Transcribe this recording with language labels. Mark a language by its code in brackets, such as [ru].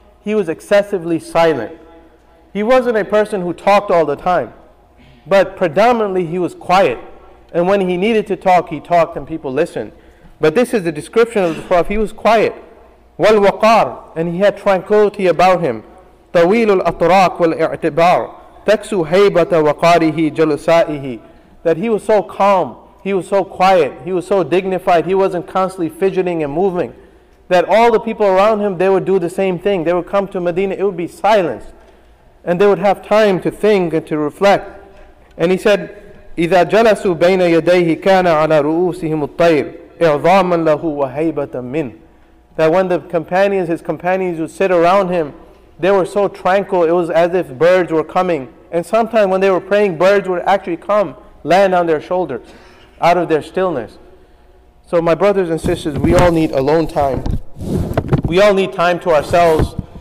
[en] He was excessively silent. He wasn't a person who talked all the time, but predominantly he was quiet. And when he needed to talk, he talked and people listened. But this is the description of the Prophet. He was quiet. Wal waqar, and he had tranquility about him. [ar] طويل الأطراق والاعتبار تكسو هيبة وقاره جلسائه. [en] That he was so calm, he was so quiet, he was so dignified, he wasn't constantly fidgeting and moving. That all the people around him, they would do the same thing. They would come to Medina, it would be silence. And they would have time to think and to reflect. And he said, [ar] إذا جلسوا بين يديه كان على رؤوسهم الطير إعظاما له وهيبة من. [en] That when the companions, his companions would sit around him, they were so tranquil, it was as if birds were coming. And sometimes when they were praying, birds would actually come, land on their shoulders, out of their stillness. So my brothers and sisters, we all need alone time. We all need time to ourselves.